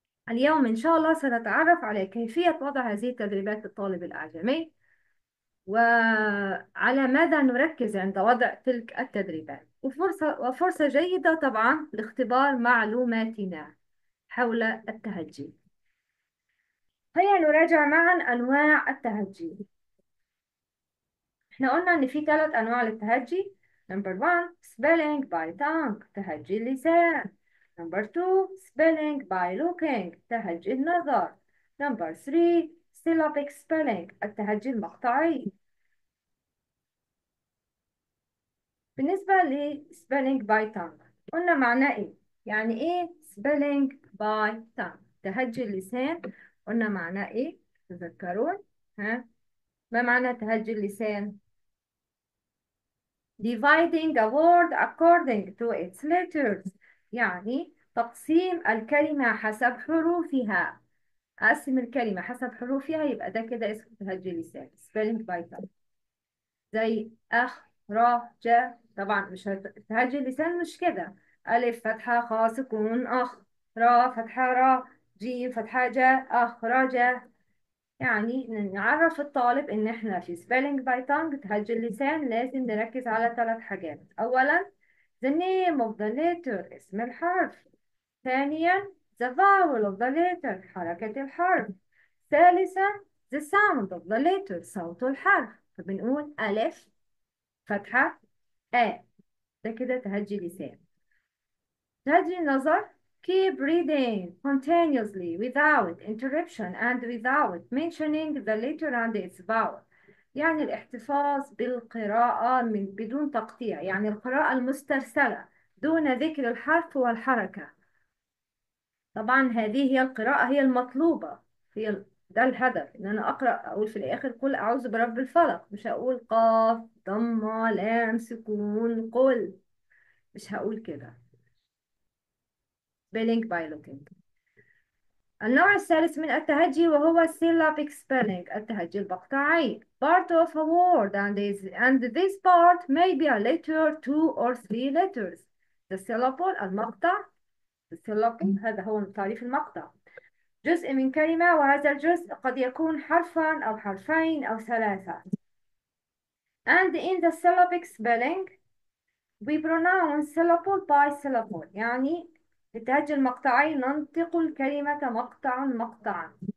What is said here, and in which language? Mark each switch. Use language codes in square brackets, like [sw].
[ar] اليوم ان شاء الله سنتعرف على كيفية وضع هذه التدريبات للطالب الاعجمي، وعلى ماذا نركز عند وضع تلك التدريبات. وفرصة جيدة طبعا لاختبار معلوماتنا حول التهجي. هيا نراجع معا أنواع التهجي. احنا قلنا ان في 3 أنواع للتهجي. [en] number one spelling by tongue، [ar] تهجي اللسان. [en] number two spelling by looking، [ar] تهجي النظر. [en] number three syllabic spelling، [ar] التهجي المقطعي. بالنسبة ل spelling by tongue، قلنا معناه ايه؟ يعني ايه spelling by tongue؟ تهجي اللسان قلنا معناه ايه؟ تذكرون؟ ها؟ ما معنى تهجي اللسان؟ [en] dividing a word according to its letters، [ar] يعني تقسيم الكلمة حسب حروفها. أقسم الكلمة حسب حروفها، يبقى ده كده اسمه تهجي اللسان spelling by tongue. زي أخ را ج، طبعا مش تهجي اللسان مش كده. ألف فتحة خاء سكون أخ، را فتحة را، جيم فتحة ج، أخرجة. يعني نعرف الطالب إن إحنا في spelling by tongue تهجي اللسان لازم نركز على 3 حاجات. [en] أولا the name of the letter، [ar] اسم الحرف. [en] ثانيا the vowel of the letter، [ar] حركة الحرف. [en] ثالثا the sound of the letter، [ar] صوت الحرف. فبنقول ألف فتحة آ، ده كده تهجي لسان. تهجي النظر [en] keep reading continuously without interruption and without mentioning the letter and its vowel، [ar] يعني الاحتفاظ بالقراءة من بدون تقطيع، يعني القراءة المسترسلة دون ذكر الحرف والحركة. طبعا هذه هي القراءة هي المطلوبة، هي ده الهدف، ان انا اقرا اقول في الاخر قل اعوذ برب الفلق، مش هقول قاف ضمه لام سكون قل، مش هقول كده. [en] spelling by looking. [ar] النوع الثالث من التهجي وهو syllabic spelling، التهجي المقطعي. [en] part of a word and this part may be a letter two or three letters. [ar] the syllable المقطع، the syllable هذا هو تعريف المقطع، جزء من كلمة، وهذا الجزء قد يكون حرفا أو حرفين أو 3. [en] And in the syllabic spelling we pronounce syllable by syllable، [ar] يعني في التهجي المقطعي ننطق الكلمة مقطعا مقطعا.